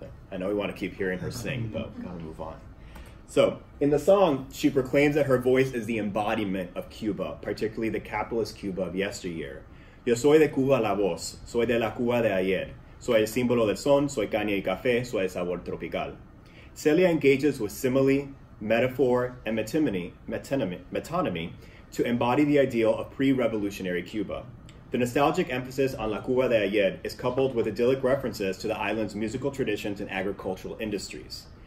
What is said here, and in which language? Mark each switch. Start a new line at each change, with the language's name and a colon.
English: I know we want to keep hearing her sing, but we've got to move on. So, in the song, she proclaims that her voice is the embodiment of Cuba, particularly the capitalist Cuba of yesteryear.
Spanish: Yo soy de Cuba la voz, soy de la Cuba de ayer. Soy el símbolo del son, soy caña y café, soy el sabor tropical.
English: Celia engages with simile, metaphor, and metonymy to embody the ideal of pre-revolutionary Cuba. The nostalgic emphasis on
Spanish: La Cuba de Ayer
English: is coupled with idyllic references to the island's musical traditions and agricultural industries.